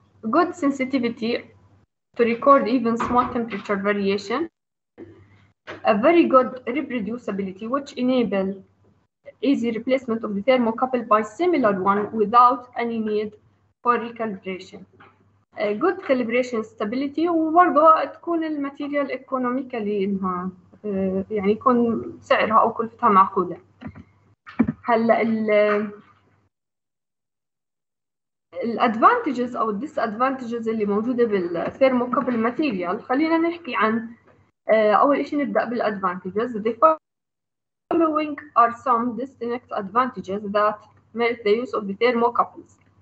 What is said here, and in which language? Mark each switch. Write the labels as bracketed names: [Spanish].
[English] Good sensitivity to record even small temperature variation. A very good reproducibility, which enable easy replacement of the thermocouple by similar one without any need for recalibration. A good calibration stability, [Arabic] وبرضه تكون الماتيريال economically إنها يعني يكون سعرها أو كلفتها معقولة. هلا ال advantages أو disadvantages اللي موجودة بالثيرموكابل ماتيريال، خلينا نحكي عن أول إشي نبدأ بالadvantages. [English] The following are some distinct advantages that merit the use of the thermocouples.